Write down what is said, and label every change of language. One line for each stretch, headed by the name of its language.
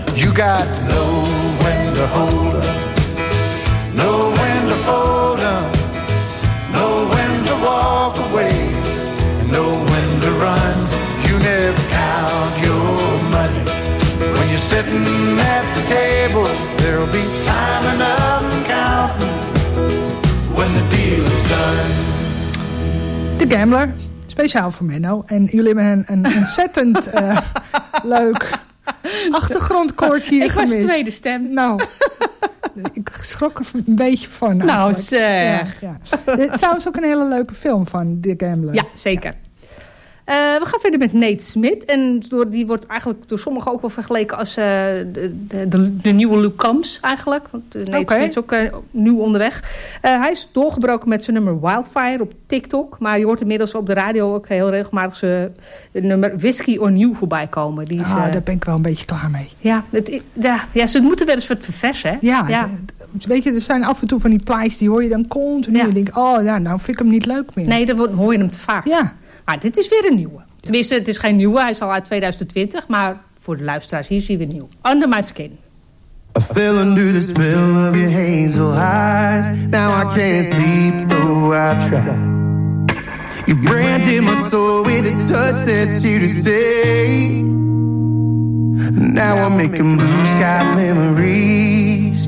English: You got to know when to hold 'em, know when to fold 'em, know when to walk away, and know when to run. You never count your money when you're sitting at the table. There'll be time enough for counting when the deal is done.
Dutch: The gambler. Speciaal voor Menno. En jullie hebben een ontzettend leuk achtergrondkoortje hier gemist. Ik was tweede stem. Nou, ik schrok er een beetje van. Nou zeg. Ja, ja. Dit is trouwens ook een hele leuke film van The Gambler. Ja, zeker. Ja. We gaan verder met Nate Smit. En die wordt eigenlijk door sommigen ook wel vergeleken als de nieuwe Luke Combs eigenlijk. Want Nate Smit is ook nieuw onderweg. Hij is doorgebroken met zijn nummer Wildfire op TikTok. Maar je hoort inmiddels op de radio ook heel regelmatig zijn nummer Whiskey or New voorbij komen. Die is, daar ben ik wel een beetje klaar mee. Ja, ze moeten wel eens wat verversen. Hè? Ja, ja. Weet je, er zijn af en toe van die plays die hoor je dan continu. Ja. En denk, nou vind ik hem niet leuk meer. Nee, dan hoor je hem te vaak. Ja. Maar dit is weer een nieuwe. Ja. Tenminste, het is geen nieuwe. Hij is al uit 2020. Maar voor de luisteraars, hier zien we nieuw.
English: Under My Skin. I feel under the spell of your hazel eyes. Now I can't sleep though I've tried. You branded my soul with a touch that's here to stay. Now I'm making blue sky memories.